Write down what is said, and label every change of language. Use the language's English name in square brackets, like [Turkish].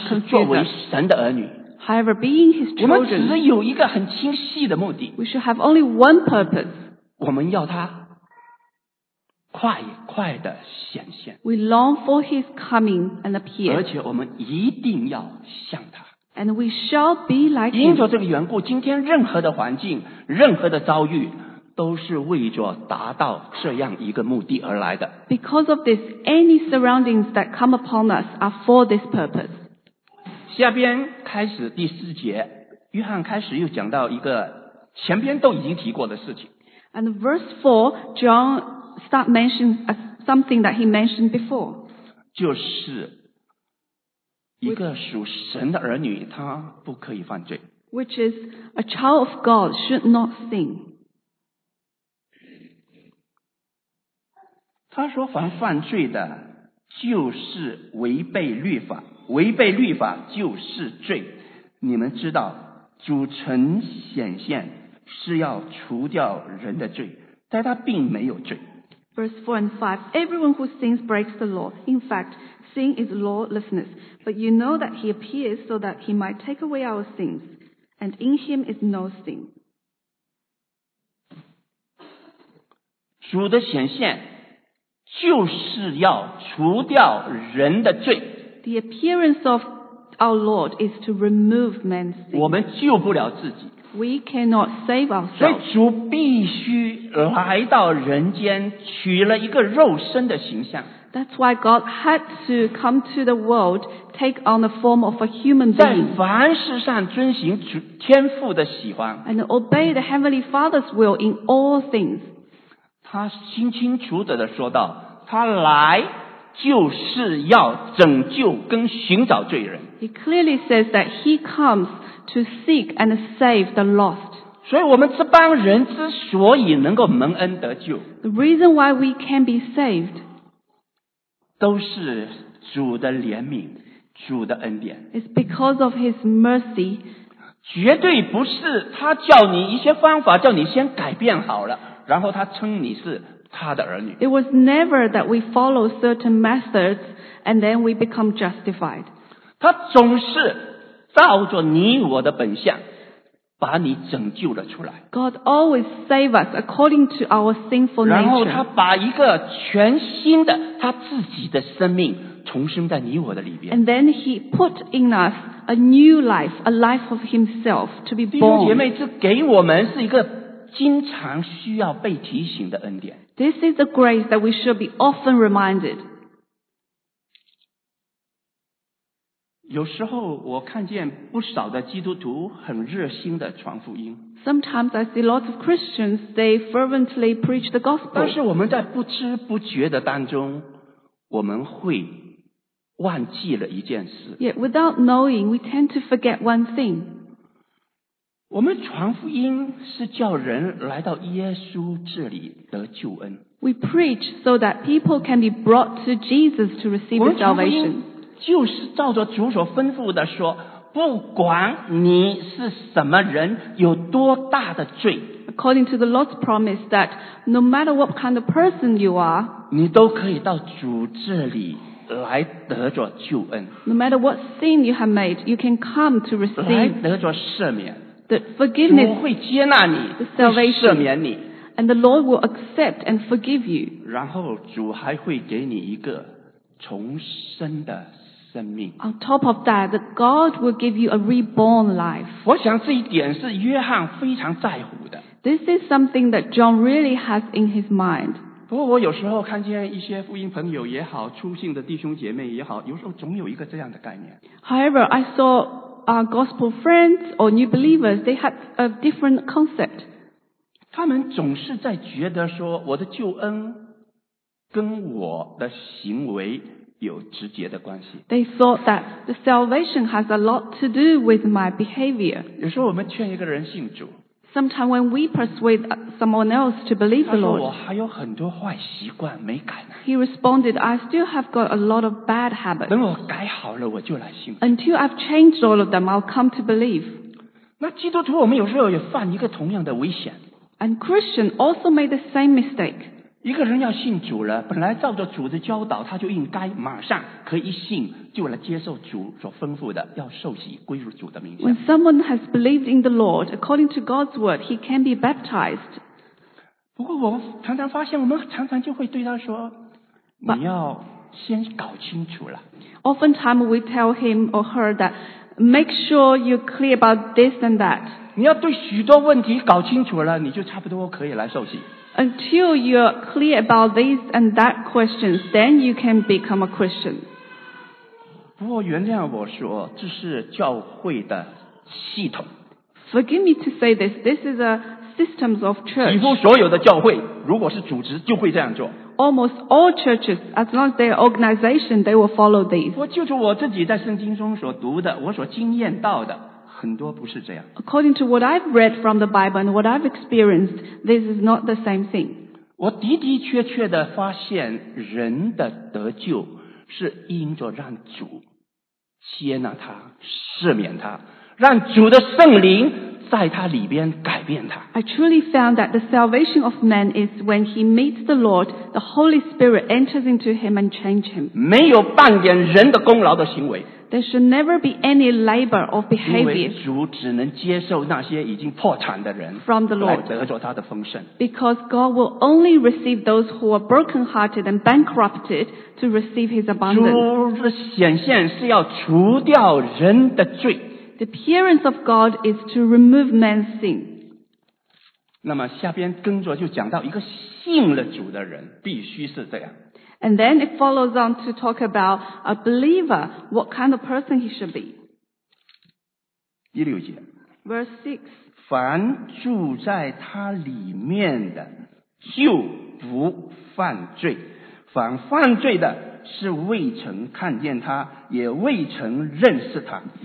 [Chinese] 但是作为神的儿女。 [English] However, being his children. [Chinese] 我们只有一个很清晰的目的。 [English] We should have only one purpose. [Chinese] 我们要他。快快的显现 [English] We long for his coming and appear [Chinese] 而且我们一定要像他 [English] And we shall be like him [Chinese] 因着这个缘故今天任何的环境任何的遭遇都是为着达到这样一个目的而来的 [English] Because of this any surroundings that come upon us are for this purpose [Chinese] 下边开始第四节约翰开始又讲到一个前边都已经提过的事情 [English] And verse 4 John start mentioning something that he mentioned before [Chinese] 就是一个属神的儿女他不可以犯罪 [English] which is a child of God should not sin [Chinese] 他说凡犯罪的就是违背律法违背律法就是罪你们知道主曾显现是要除掉人的罪但他并没有罪 [English] Verse 4 and 5, everyone who sins breaks the law. In fact, sin is lawlessness. But you know that he appears so that he might take away our sins. And in him is no sin. [Chinese] 主的显现就是要除掉人的罪。 [English] The appearance of our Lord is to remove man's sin. [Chinese] 我们救不了自己。 [English] We cannot save ourselves. [Chinese] 所以主必须来到人间取了一个肉身的形象。 [English] That's why God had to come to the world, take on the form of a human being. [Chinese] 在凡事上遵行天父的喜欢。 [English] And obey the Heavenly Father's will in all things. [Chinese] 他清清楚楚地说道，他来就是要拯救跟寻找罪人。 [English] He clearly says that he comes to seek and save the lost. [Chinese] 所以我们这帮人之所以能够蒙恩得救 [English] The reason why we can be saved [Chinese] 都是主的怜悯主的恩典 [English] It's because of his mercy [Chinese] 绝对不是他叫你一些方法叫你先改变好了然后他称你是他的儿女。 [English] It was never that we follow certain methods and then we become justified. [Chinese] 他总是照着你我的本相把你拯救了出来。 [English] God always save us according to our sinful nature. [Chinese] 然后他把一个全新的他自己的生命重生在你我的里边。 [English] And then he put in us a new life, a life of himself to be born. [Chinese] 弟兄姐妹，这给我们是一个经常需要被提醒的恩典。 [English] This is a grace that we should be often reminded. [Chinese] 有时候我看见不少的基督徒很热心的传福音。 [English] Sometimes I see lots of Christians, they fervently preach the gospel. [Chinese] 但是我们在不知不觉的当中，我们会忘记了一件事。 [English] Yet without knowing, we tend to forget one thing. [Chinese] 我们传福音是叫人来到耶稣这里得救恩。 [English] We preach so that people can be brought to Jesus to receive salvation. [Chinese] 我们传福音就是照着主所吩咐的说，不管你是什么人，有多大的罪。 [English] According to the Lord's promise that no matter what kind of person you are, [Chinese] 你都可以到主这里来得着救恩。 [English] No matter what sin you have made, you can come to receive [Chinese] 来得着赦免。 [English] The forgiveness, [Chinese] 主会接纳你， [English] the salvation, [Chinese] 会赦免你。 [English] And the Lord will accept and forgive you. [Chinese] 然后主还会给你一个重生的生命。 [English] On top of that, the God will give you a reborn life. [Chinese] 我想这一点是约翰非常在乎的。 [English] This is something that John really has in his mind. [Chinese] 不过我有时候看见一些福音朋友也好，出信的弟兄姐妹也好，有时候总有一个这样的概念。 [English] However, I saw our gospel friends or new believers, they had a different concept. [Chinese] 他们总是在觉得说，我的救恩跟我的行为有直接的关系。 [English] They thought that the salvation has a lot to do with my behavior. [Chinese] 有时候我们劝一个人信主。 [English] Sometimes when we persuade someone else to believe the Lord, [Chinese] 他说我还有很多坏习惯没改呢。 [English] He responded, I still have got a lot of bad habits. [Chinese] 等我改好了我就来信。 [English] Until I've changed all of them, I'll come to believe. [Chinese] 那基督徒我们有时候也犯一个同样的危险。 [English] And Christian also made the same mistake. [Chinese] 一个人要信主了，本来照着主的教导，他就应该马上可以信，就来接受主所吩咐的，要受洗归入主的名下。 [English] When someone has believed in the Lord, according to God's word, he can be baptized. [Chinese] 不过我常常发现，我们常常就会对他说， [English] But, [Chinese] 你要先搞清楚了。 [English] Oftentimes we tell him or her that, make sure you're clear about this and that. [Chinese] 你要对许多问题搞清楚了，你就差不多可以来受洗。 [English] Until you're clear about these and that questions, then you can become a Christian. [Chinese] 不过原谅我说，这是教会的系统。 [English] Forgive me to say this. This is a system of church. [Chinese] 几乎所有的教会，如果是组织，就会这样做。 [English] Almost all churches, as long as they're organization, they will follow these. [Chinese] 我就是我自己在圣经中所读的，我所经验到的。很多不是这样。 [English] According to what I've read from the Bible and what I've experienced, this is not the same thing. [Chinese] 我的的确确地发现人的得救是因着让主接纳他，赦免他，让主的圣灵在他里边改变他。 [English] I truly found that the salvation of man is when he meets the Lord, the Holy Spirit enters into him and changes him. [Chinese] 没有半点人的功劳的行为。 [English] There should never be any labor or behavior. [Chinese] 因为主只能接受那些已经破产的人 [English] from the Lord, [Chinese] 来得着他的丰盛。 [English] Because God will only receive those who are broken-hearted and bankrupted to receive His abundance. [Chinese] 主的显现是要除掉人的罪。 [English] The appearance of God is to remove man's sin. [Chinese] 那么下边跟着就讲到一个信了主的人必须是这样。 [English] And then it follows on to talk about a believer, what kind of person he should be. [Chinese] 第六节。 [English] Verse 6. [Chinese] 凡住在他里面的就不犯罪。凡犯罪的是未曾看见他也未曾认识他。